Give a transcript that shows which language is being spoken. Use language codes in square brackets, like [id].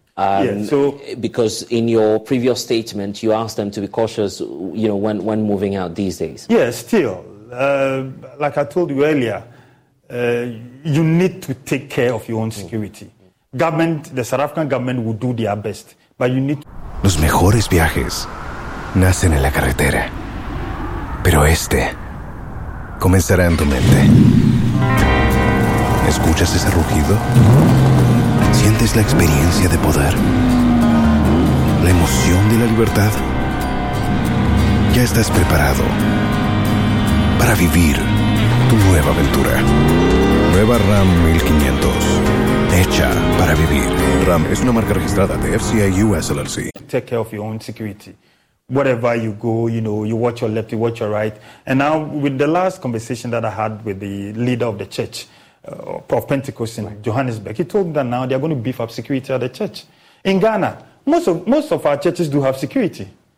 [en] Because in your previous statement, you asked them to be cautious, you know, when moving out these days. Yes, still. Like I told you earlier, you need to take care of your own security. Government, the South African government will do their best, but you need to... [es] Los mejores viajes nacen en la carretera, pero este comenzará en tu mente. ¿Escuchas ese rugido? ¿Sientes la experiencia de poder? ¿La emoción de la libertad? Ya estás preparado para vivir tu nueva aventura. Nueva Ram 1500. Hecha para vivir. Ram es una marca registrada de FCA US LLC. [en] Take care of your own security. Wherever you go, you know, you watch your left, you watch your right. And now, with the last conversation that I had with the leader of the church, of Pentecost in Johannesburg, he told me that now they are going to beef up security at the church. In Ghana, most of our churches do have security.